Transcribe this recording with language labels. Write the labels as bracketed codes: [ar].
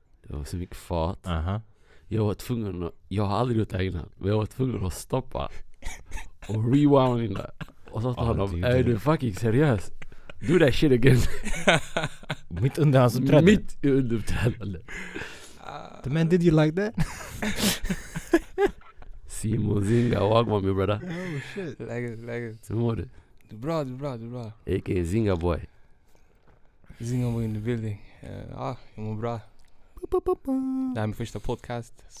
[sv] Det var så mycket fart. Uh-huh. Jag har aldrig gjort det innan, men jag var tvungen att stoppa och rewinda. Och så sa han, är du fucking seriös? [en] Do that shit again. [sv] Mitt under hans uppträdande. Mitt under uppträdande. [en] The man, did you like that? Simon Nzinga, walk with me, brother. Oh shit, like it. [sv] Hur mår du? Du bra. [en] A.k.a. Nzingaboy. Nzingaboy in the building. [sv] Jag mår bra. Det här är min första podcast.